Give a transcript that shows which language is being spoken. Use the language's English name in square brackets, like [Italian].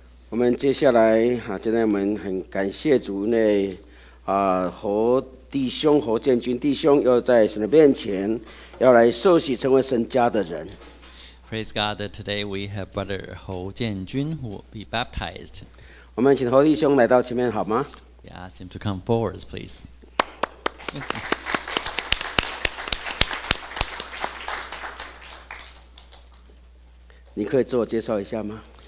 [Chinese] 我们接下来啊，今天我们很感谢主内啊，和弟兄和建军弟兄要在神的面前要来受洗，成为神家的人。 [English] Praise God that today we have Brother Hou Jianjun who will be baptized. [Chinese] 我们请侯弟兄来到前面好吗？ [English] We ask him to come forward, please. [Chinese] 你可以自我介绍一下吗？